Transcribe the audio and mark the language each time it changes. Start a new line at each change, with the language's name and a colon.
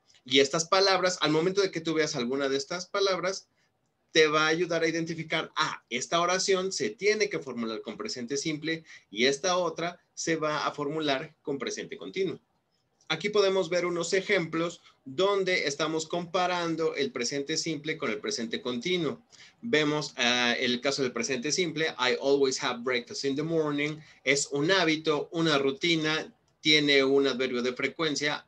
Spanish: Y estas palabras, al momento de que tú veas alguna de estas palabras, te va a ayudar a identificar, esta oración se tiene que formular con presente simple y esta otra se va a formular con presente continuo. Aquí podemos ver unos ejemplos donde estamos comparando el presente simple con el presente continuo. Vemos el caso del presente simple.
English: I always have breakfast in the morning.
Spanish: Es un hábito, una rutina. Tiene un adverbio de frecuencia.